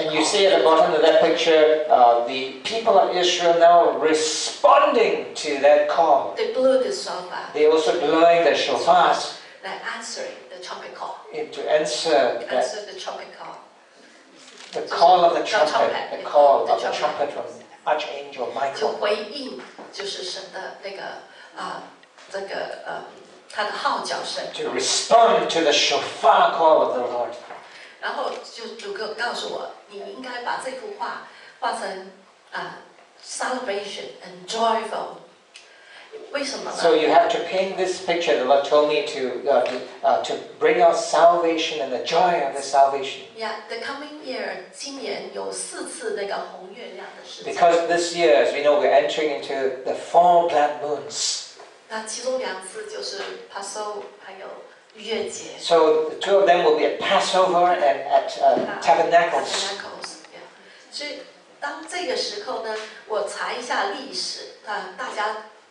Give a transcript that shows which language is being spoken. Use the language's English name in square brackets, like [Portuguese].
[English] And you see at the bottom of that picture, the people of Israel now responding to that call. They blew the shofar. They also blowing the shofars. They answering the trumpet call. And to answer that. Answer the trumpet call. The call of the trumpet. The call of the trumpet from Archangel Michael. [Chinese] 就回应就是神的那个这个他的号角声。 [English] To respond to the shofar call of the Lord. [Chinese] 然后就主告诉我，你应该把这幅画画成 [English] celebration and joyful. [Chinese] 为什么呢 [English] ？So you have to paint this picture. The Lord told me to bring out salvation and the joy of the salvation. Yeah, the coming year, [Chinese] 今年有四次那个红月亮的事情。 [English] Because this year, as we know, we're entering into the four black moons. [Chinese] 那其中两次就是 Passover 还有逾越节。 [English] So the two of them will be at Passover and at Tabernacles. Tabernacles, yeah. [Chinese] 所以当这个时候呢，我查一下历史，大家